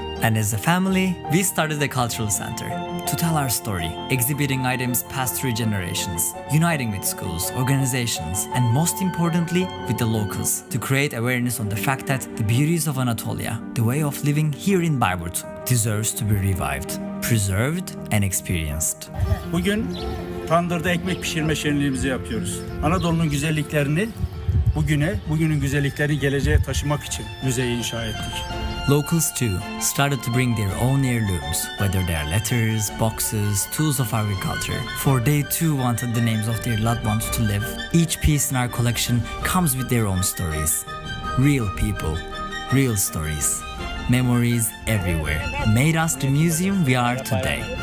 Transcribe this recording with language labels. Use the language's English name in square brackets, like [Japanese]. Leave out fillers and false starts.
[English] And as a family, we started a cultural center to tell our story, exhibiting items passed through generations, uniting with schools, organizations, and most importantly, with the locals, to create awareness on the fact that the beauties of Anatolia, the way of living here in Bayburt, deserves to be revived, preserved, and experienced. [Turkish] Bugün tandırda ekmek pişirme şenliğimizi yapıyoruz. Anadolu'nun güzelliklerini bugüne, bugünün güzelliklerini geleceğe taşımak için müzeyi inşa ettik. [English] Locals, too, started to bring their own heirlooms, whether they are letters, boxes, tools of agriculture, for they too wanted the names of their loved ones to live. Each piece in our collection comes with their own stories. Real people, real stories, memories everywhere, made us the museum we are today.